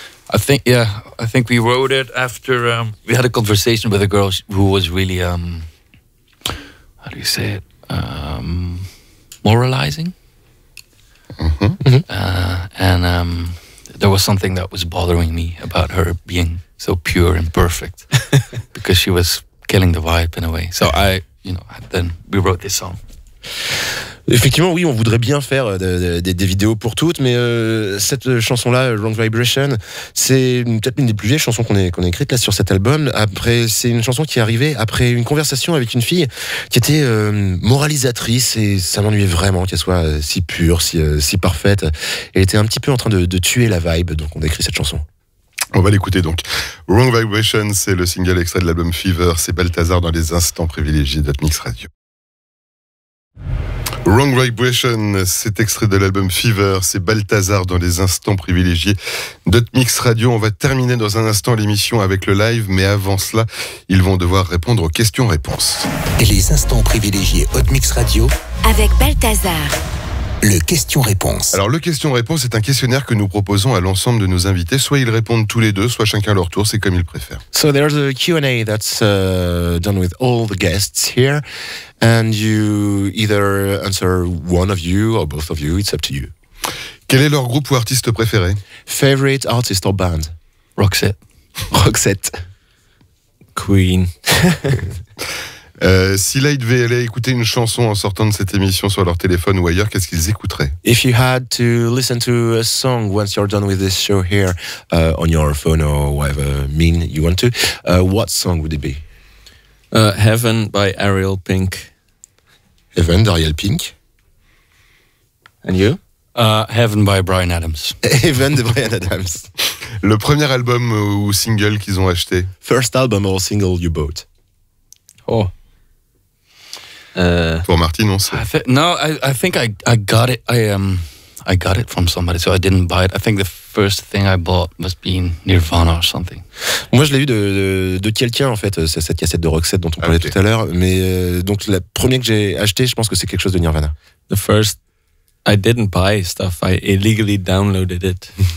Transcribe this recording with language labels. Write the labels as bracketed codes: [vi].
[en] I think we wrote it after we had a conversation with a girl who was really, how do you say it? Moralizing? And there was something that was bothering me about her being so pure and perfect, because she was killing the vibe in a way. So I, you know, then we wrote this song. [fr] Effectivement, oui, on voudrait bien faire des vidéos pour toutes, mais cette chanson-là, Wrong Vibration, c'est peut-être une des plus vieilles chansons qu'on a écrites là sur cet album. Après, c'est une chanson qui est arrivée après une conversation avec une fille qui était moralisatrice, et ça m'ennuyait vraiment qu'elle soit si pure, si parfaite. Elle était un petit peu en train de tuer la vibe, donc on a écrit cette chanson. On va l'écouter donc. Wrong Vibration, c'est le single extrait de l'album Fever. C'est Balthazar dans les instants privilégiés d'Atmix Radio. Wrong Vibration, cet extrait de l'album Fever, c'est Balthazar dans les instants privilégiés d'Hotmix Radio. On va terminer dans un instant l'émission avec le live, mais avant cela, ils vont devoir répondre aux questions-réponses. Les instants privilégiés Hotmix Radio avec Balthazar. Le question-réponse. Alors le question-réponse est un questionnaire que nous proposons à l'ensemble de nos invités. Soit ils répondent tous les deux, soit chacun leur tour, c'est comme ils préfèrent. [en] So there's a Q&A that's done with all the guests here, and you either answer one of you or both of you, it's up to you. [fr] Quel est leur groupe ou artiste préféré? [en] Favorite artist or band? Roxette. Roxette. Queen. [fr] Si Light VLA écoutait une chanson en sortant de cette émission sur leur téléphone ou ailleurs, qu'est-ce qu'ils écouteraient? [en] If you had to listen to a song once you're done with this show here, on your phone or whatever mean you want to, what song would it be? Heaven by Ariel Pink. [fr] Heaven d'Ariel Pink. [en] And you? Heaven by Bryan Adams. [fr] Heaven de Bryan Adams. Le premier album ou single qu'ils ont acheté? [en] First album or single you bought. Oh. [fr] Pour Martin, on sait. [en] I think I got it from somebody, so I didn't buy it. I think the first thing I bought must be Nirvana or something. [fr] Moi, je l'ai eu de quelqu'un, en fait, cette cassette de Roxette dont on parlait tout à l'heure. Mais donc, le premier que j'ai acheté, je pense que c'est quelque chose de Nirvana. [en] The first, I didn't buy stuff, I illegally downloaded it.